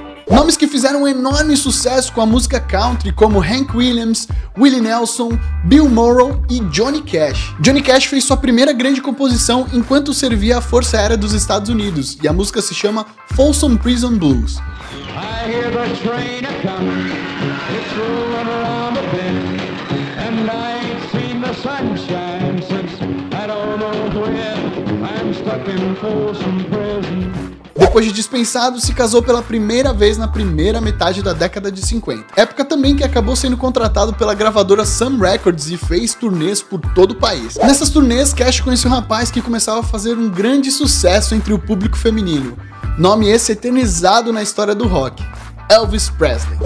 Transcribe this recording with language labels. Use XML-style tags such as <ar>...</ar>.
<pt>Nomes que fizeram um enorme sucesso com a música country, como Hank Williams, Willie Nelson, Bill Morrow e Johnny Cash. Johnny Cash fez sua primeira grande composição enquanto servia à Força Aérea dos Estados Unidos, e a música se chama Folsom Prison Blues.</pt> <en>I hear the train a-comin', it's rollin' around the bend, and I ain't seen the sunshine since I don't know when, I'm stuck in Folsom Prison.</en> <pt>Depois de dispensado, se casou pela primeira vez na primeira metade da década de 50. Época também que acabou sendo contratado pela gravadora Sun Records e fez turnês por todo o país. Nessas turnês, Cash conheceu um rapaz que começava a fazer um grande sucesso entre o público feminino. Nome esse eternizado na história do rock. Elvis Presley.</pt>